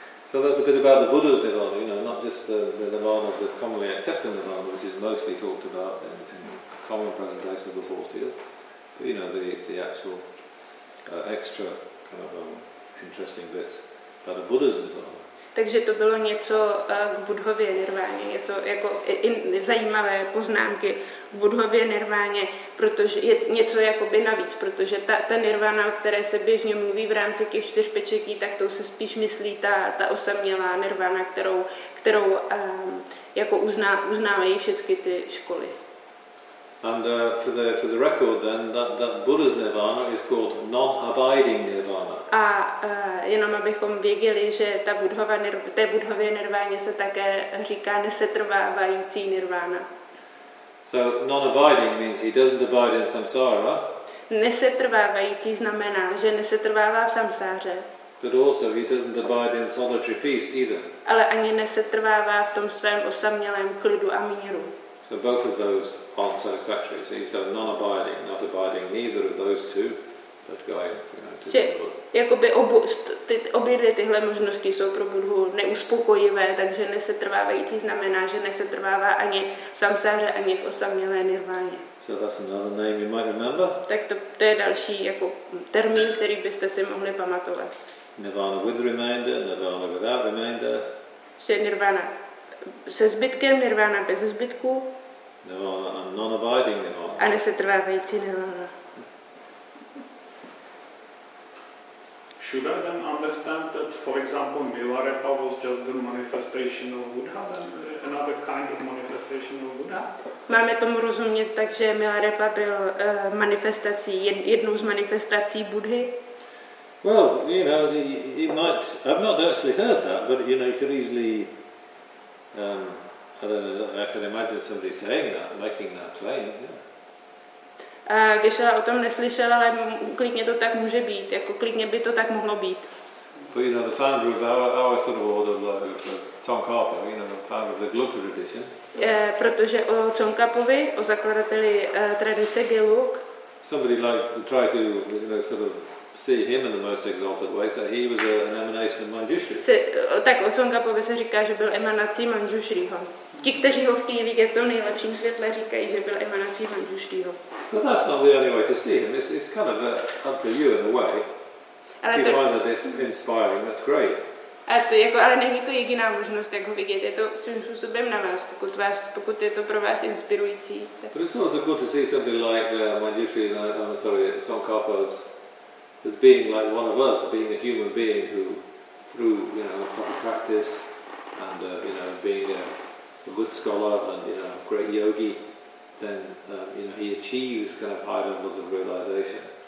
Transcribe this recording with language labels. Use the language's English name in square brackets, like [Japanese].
[English] So that's a bit about the Buddha's nirvana, you know, not just the nirvana that's commonly accepted nirvana, which is mostly talked about in common presentation of the four seals, but you know the actual extra kind of interesting bits about the Buddha's nirvana. [Czech] Takže to bylo něco k Buddhově nirváně, něco jako zajímavé poznámky k Buddhově nirváně, protože je něco jakoby navíc, protože ta nirvána, o které se běžně mluví v rámci těch čtyř pečetí, tak to se spíš myslí ta osamělá nirvána, kterou jako uznávají všechny ty školy. [English] And for the record then, that Buddha's nirvana is called non-abiding nirvana. [Czech] A jenom abychom věděli, že té Buddhově nirváně se také říká nesetrvávající nirvana. [English] So non-abiding means he doesn't abide in samsara. [Czech] Nesetrvávající znamená, že nesetrvává v samsáře. [English] But also he doesn't abide in solitary peace either. [Czech] Ale ani nesetrvává v tom svém osamělém klidu a míru. [English] So both of those aren't satisfactory. So he's non-abiding, not abiding neither of those two, but going, [Czech] jakoby obě dvě tyhle možnosti jsou pro Buddhu neuspokojivé, takže nesetrvávající znamená, že nesetrvává ani v samsáře, ani v osamělé nirváně. [English] So that's another name you might remember. [Czech] Tak to je další jako termín, který byste si mohli pamatovat. [English] Nirvana with remainder, nirvana without remainder. [Czech] Že nirvana se zbytkem, nirvana bez zbytku. [English] Nirvana and non-abiding nirvana. [Czech] A nesetrvávající nirvana. [English] Should I then understand that, for example, Milarepa was just the manifestation of Buddha, another kind of manifestation of Buddha? [Czech] Máme tomu rozumět tak, že Milarepa byl manifestací, jednou z manifestací Buddhy? [English] Well, you know, it might, I've not actually heard that, but you know, you could easily, I don't know, I can imagine somebody saying that, making that claim, yeah. [Czech] Když já o tom neslyšel, ale klidně to tak může být, jako klidně by to tak mohlo být. [English] But you know, the founder of our sort of order, like Tsongkhapa, you know, the founder of the Gelugpa tradition. [Czech] Protože o Tsongkhapovi, o zakladateli tradice Gelug. [English] Somebody like tried to, you know, sort of see him in the most exalted way, so he was an emanation of Manjushri. [Czech] Tak o Tsongkhapovi se říká, že byl emanací Manjushriho. Ti, kteří ho chtějí vidět v tom nejlepším světle, říkají, že byl emanací Manjushriho. [English] But that's not the only way to see him. It's kind of up to you in a way. [Czech] Ale [English] if you find that it's inspiring, that's great. [Czech] Ale není to jediná možnost, jak ho vidět. Je to svým způsobem na vás, pokud je to pro vás inspirující. Tak. [English] But it's also good to see somebody like Manjushri, I'm sorry, Tsongkhapa, as being like one of us, being a human being who, through, you know, proper practice and, you know, being a good scholar and, you know, a great yogi, then you know, he achieves kind of high levels of realization.